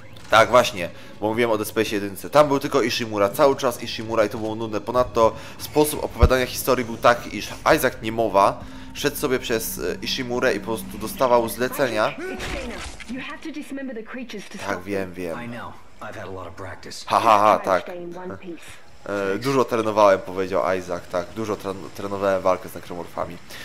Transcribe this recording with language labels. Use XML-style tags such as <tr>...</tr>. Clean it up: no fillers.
<pl>Tak, właśnie, bo mówiłem o Dead Space 1. Tam był tylko Ishimura, cały czas Ishimura i to było nudne. Ponadto sposób opowiadania historii był taki, iż Isaac niemowa szedł sobie przez Ishimurę i po prostu dostawał zlecenia.</pl> <en>You have to dismember the creatures to</en> <pl>tak, wiem, wiem.</pl> <en>I know. I've had a lot of practice.</en> <pl>Ha, tak. Dużo trenowałem, powiedział Isaac, tak. Dużo trenowałem walkę z nekromorfami.</pl>